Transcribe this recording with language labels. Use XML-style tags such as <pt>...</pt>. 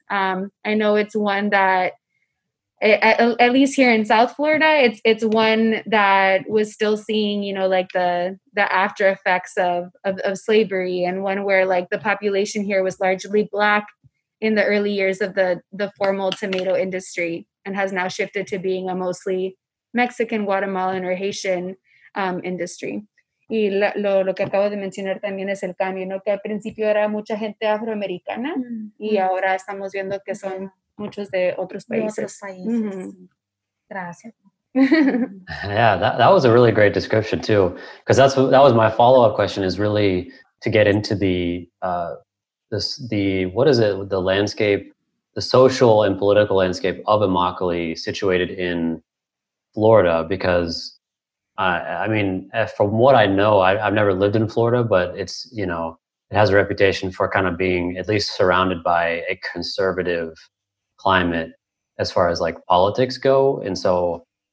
<en>I know it's one that at least here in South Florida, it's one that was still seeing, you know, like the after effects of slavery, and one where like the population here was largely Black in the early years of the formal tomato industry, and has now shifted to being a mostly Mexican, Guatemalan, or Haitian industry.</en> <es>Y lo que acabo de mencionar también es el cambio, ¿no? Que al principio era mucha gente afroamericana, y ahora estamos viendo que son muchos de otros países. Gracias.</es> <en>Yeah, that was a really great description too, because that was my follow-up question, is really to get into the landscape, the social and political landscape of Immokalee situated in Florida, because I mean, from what I know, I've never lived in Florida, but it's, you know, it has a reputation for kind of being at least surrounded by a conservative climate as far as like politics go. And so</en>